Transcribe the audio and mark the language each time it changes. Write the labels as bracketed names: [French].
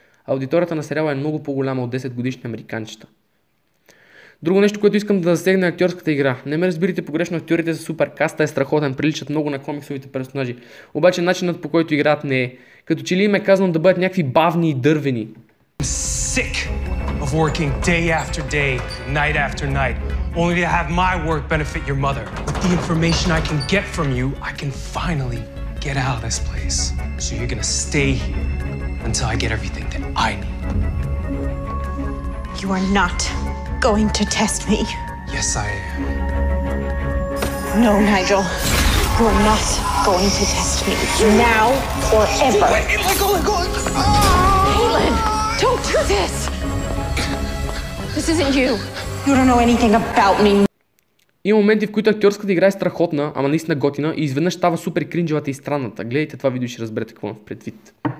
[Bulgarian] Аудиторията на сериала е много по-голяма от 10 годишни американчета. Друго нещо, което искам да засегна, е актьорската игра. Не ме разбирайте погрешно, актьорите са супер, каста е страхотен, приличат много на комиксовите персонажи. Обаче начинът, по който играят, не е. Като че ли им е казано да бъдат някакви бавни и дървени. [English] Sick of working day after day, night after night, only to have my work benefit your mother. With the information I can get from you, I can finally get out of this place. So you're gonna stay here until I get everything that I need. you are not going to test me. Yes, I am. No, Nigel. You are not going to test me. Now or ever. Wait, let go. Caitlin, don't do this. This isn't you. You don't know anything about me. [Bulgarian] Има моменти, в които актьорската игра е страхотна, ама наистина готина и изведнъж става супер кринжовата и странната. Гледайте това видео и ще разберете какво имам в предвид.